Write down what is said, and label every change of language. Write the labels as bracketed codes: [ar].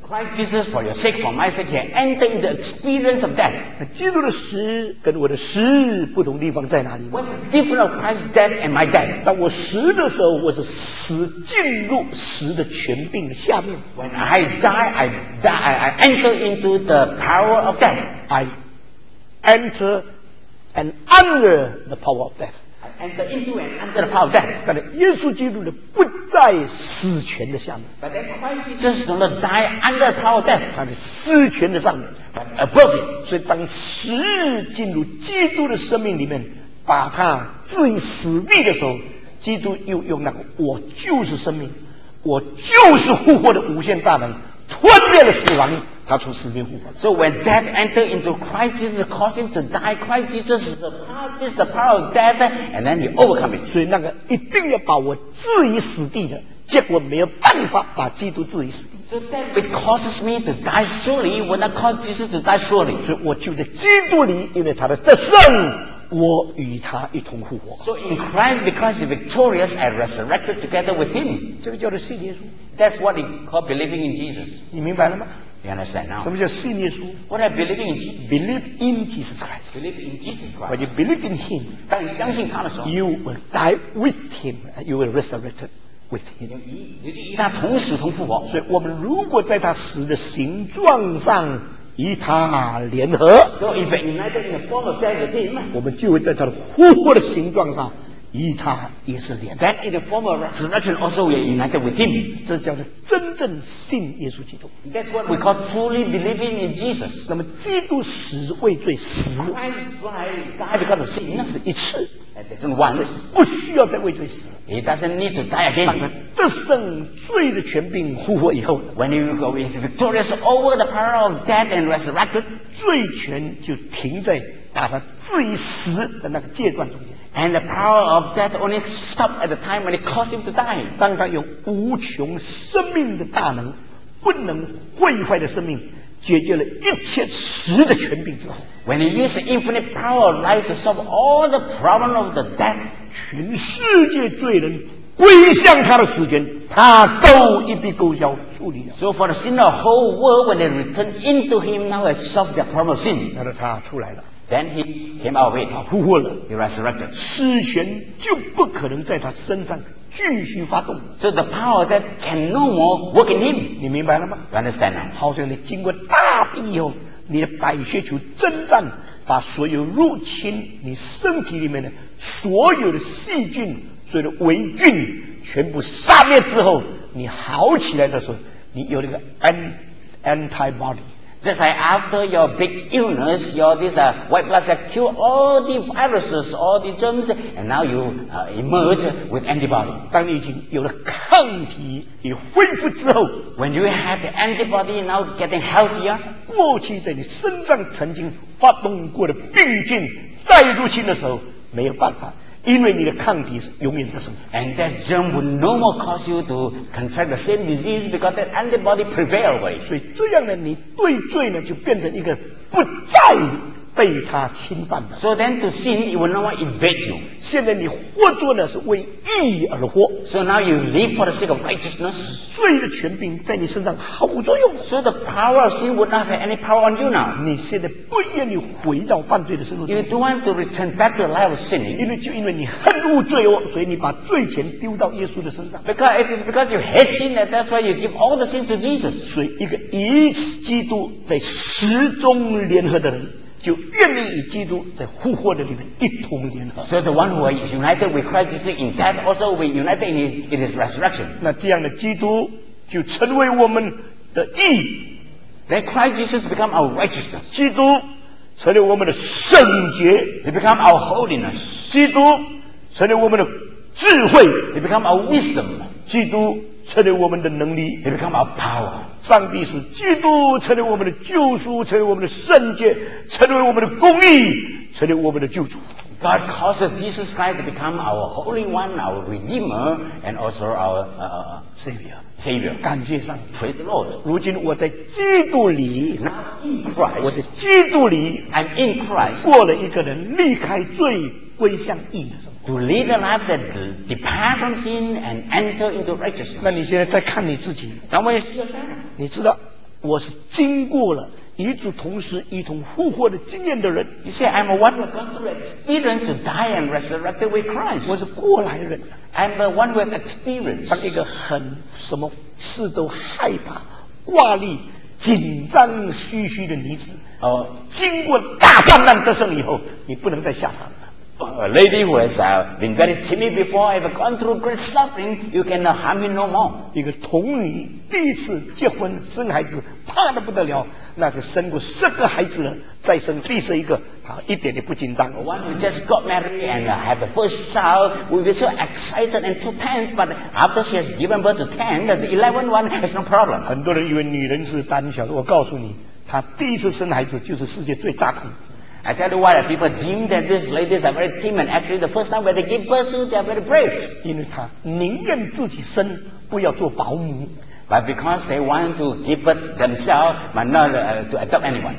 [en] Christ Jesus for your sake, for my sake, and entering the experience of death。 [zh] 基督的死跟我的死不同地方在哪里 [en] ？What's the difference of Christ's death and my death？ [zh] 当我死的时候，我是死进入死的权柄下面。 [en] When I die, I enter into the power of death. I enter and under the power of death. I enter into and under the power of death. [zh] 但是耶稣基督的不在死权的下面。 [en] But then Christ Jesus will die under the power of death. [zh] 他在死权的上面。 [en] But above it. [zh] 所以当死进入基督的生命里面，把他置于死地的时候。基督又用那个我就是生命，我就是复活的无限大能，吞灭了死亡，他从死里面复活。 [en] So when death enter into Christ Jesus, cause him to die, Christ Jesus is the power of death, and then he overcome it. [zh] 所以那个一定要把我置于死地的，结果没有办法把基督置于死地。 [en] So death which causes me to die surely, will not cause Jesus to die surely. [zh] 所以我就在基督里，因为他的得胜。我与他一同复活。 [en] So in Christ, because he's victorious, I resurrected together with him. [zh] 这个叫做信耶稣。 [en] That's what he called believing in Jesus. [zh] 你明白了吗 [en] ？You understand now? [zh] 什么叫信耶稣 [en] ？What I believe in Jesus. Believe in Jesus Christ. Believe in Jesus Christ. When you believe in him, [zh] 当你相信他的时候 [en] ，you will die with him. You will resurrected with him. [zh] 与他同死同复活。所以我们如果在他死的形状上。与他联合 [en] so if united in the form of death with him, [zh] 我们就会在他的复活的形状上与他也是联合 [en] that in the form of resurrection also we are united with him [zh] 这叫做真正信耶稣基督 [en] that's what we call truly believing in Jesus [zh] 那么基督死为罪死 [en] Christ died because of sin [zh] 那是一次 [en] once, [zh] 不需要再为罪死 [en] he doesn't need to die again [zh] 得胜罪的权柄复活以后 [en] When you go is victorious over the power of death and resurrected [zh] 罪权就停在把他置于死的那个阶段中间 [en] And the power of death only stopped at the time when it caused him to die [zh] 当他有无穷生命的大能不能毁坏的生命解决了一切死的权柄之后 [en] ，When he used infinite power of life to solve all the problem of the death， [zh] 全世界罪人归向他的时间，他都一笔勾销处理了。 [en] So for the sin of the whole world when they return into him now has solved their problem of sin， [zh] 那他出来了。 [en] Then he came out of it， [zh] 他复活了。 [en] He resurrected， [zh] 死权就不可能在他身上继续发动。 [en] So the power that can no more work in him， [zh] 你明白了吗 [en] ？You understand now？ [zh] 好像你经过大病以后，你的白血球征战，把所有入侵你身体里面的所有的细菌、所有的微菌全部杀灭之后，你好起来的时候，你有那个 antibody。 [en] Just like after your big illness, your this white blood cell kill all the viruses, all the germs, and now you emerge with antibody. [zh] 当你已经有了抗体，你恢复之后 [en] ，When you have the antibody, now getting healthier. [zh] 过去在你身上曾经发动过的病菌再入侵的时候，没有办法。因为你的抗体是永远的生 [en] And that germ will no more cause you to contract the same disease because that antibody prevails away. [zh] 所以这样呢，你对罪呢就变成一个不再被他侵犯的。 [en] So then to sin, it will no more invade you. [zh] 现在你活着呢是为义而活。 [en] So now you live for the sake of righteousness. [zh] 罪的权柄在你身上毫无作用。 [en] So the power of sin will not have any power on you now. [zh] 你现在不愿意回到犯罪的生活。 [en] You don't want to return back to the life of sinning. [zh] 因为你恨恶罪哦，所以你把罪权丢到耶稣的身上。 [en] Because it is because you hate sin that that's why you give all the sin to Jesus. [zh] 所以一个与基督在始终联合的人。就愿意与基督在复活的里面一同联合。 [en] So the one who is united with Christ is in death, also we united in his resurrection. [zh] 那这样的基督就成为我们的义。 [en] Then Christ Jesus become our righteousness. [zh] 基督成为我们的圣洁。 [en] He become our holiness. [zh] 基督成为我们的智慧。 [en] He become our wisdom. [zh] 基督成为我们的能力。 [en] He become our power. [zh] 上帝是基督成为我们的救赎成为我们的圣洁成为我们的公义成为我们的救主 [en] God causes Jesus Christ to become our Holy One our Redeemer and also our Savior [zh] 感谢上帝 [en] Praise the Lord [zh] 如今我在基督里 [en] Not in Christ [zh] 我在基督里 [en] I'm in Christ [zh] 过了一个人离开罪归向义的时候 [en] To live a life that departs from sin and enter into righteousness. [zh] 那你现在再看你自己，然后你知道我是经过了与主同时一同复活的经验的人。 [en] You say I'm a one who gone through experience to die and resurrected with Christ. [zh] 我是过来人。 [en] I'm a one with experience. [zh] 当一个很什么事都害怕、挂虑、紧张、虚虚的女子，经过大患难得胜以后，你不能再下凡。 [en] A lady who has been very timid before, have gone through great suffering, you cannot harm me no more. [zh] 一个童女第一次结婚生孩子，怕得不得了。那是生过十个孩子了，再生第十一个，她一点也不紧张。 [en] One who just got married and had the first child, will be so excited and so tense. But after she has given birth to 10, the 11th one has no problem. [zh] 很多人以为女人是胆小的，我告诉你，她第一次生孩子就是世界最大的。 [en] I tell you why the people deem that these ladies are very timid. Actually, the first time when they give birth to, they are very brave. [zh] 因为她宁愿自己生，不要做保姆。 [en] But because they want to give birth themselves, but not to adopt anyone.